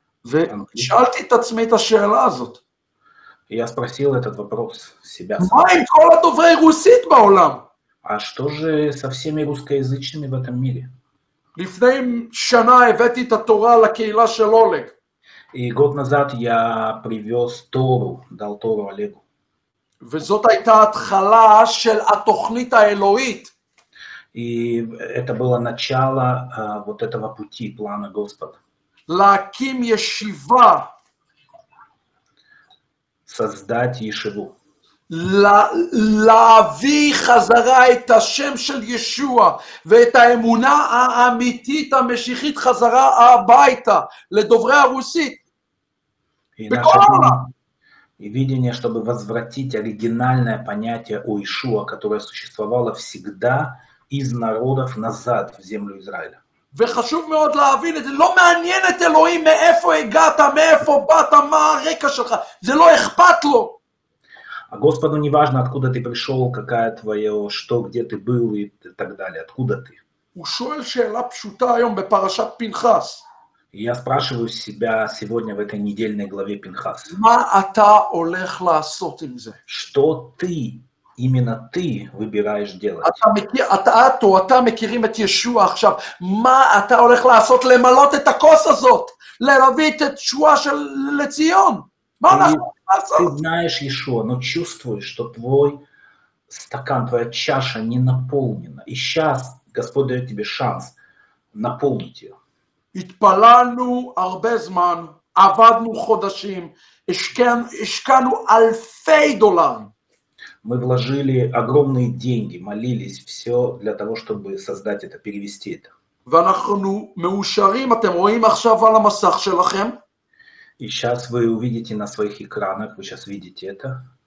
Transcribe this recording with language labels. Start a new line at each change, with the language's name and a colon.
Hebrew: ושאלתי את עצמי את השאלה הזאת.
Russian: Я спросил этот вопрос себя.
Hebrew: מה עם כל הדוברי רוסית בעולם?
Russian: А что же со всеми русскоязычными в этом мире?
Hebrew: לפני שנה הבאתי את התורה לקהילה של אולג.
Russian: И год назад я привез Тору, дал Тору Олегу.
Hebrew: וזאת הייתה התחלה של התוכנית האלוהית.
Russian: И это было начало вот этого пути, плана Господа.
Hebrew: להקים ישיבה.
Russian: Создать ישיבו.
Hebrew: להביא חזרה את השם של ישוע ואת האמונה האמיתית המשיחית חזרה הביתה לדוברי הרוסית.
Russian: И видение, чтобы возвратить оригинальное понятие о Ишуа, которое существовало всегда из народов назад в землю Израиля.
Hebrew: וחשוב מאוד להבין את זה, לא מעניין את אלוהים מאיפה הגעת, מאיפה באת, מה הרקע שלך, זה לא אכפת לו.
Russian: Господу не важно, откуда ты пришел, какая твое, что, где ты был и так далее, откуда ты.
Hebrew: הוא שואל שאלה פשוטה היום בפרשת פנחס.
Russian: Я спрашиваю себя сегодня в этой недельной главе Пинхас.
Hebrew: מה אתה הולך לעשות עם זה?
Russian: Что ты, именно ты выбираешь делать.
Hebrew: אתה מכיר, אתה מכירים את ישוע עכשיו. מה אתה הולך לעשות? למלות את הכוס הזאת? להביא את תשועה של לציון? מה אנחנו לעשות?
Russian: Ты знаешь ישוע, но чувствуешь, что твой стакан, твоя чаша не наполнена. И сейчас Господь дает тебе шанс наполнить ее. התפללנו הרבה זמן, עבדנו חודשים, השקענו אלפי דולרים. Мы вложили огромные деньги, молились, все для того, чтобы создать это, перевести это. И сейчас вы увидите на своих экранах, вы сейчас видите это.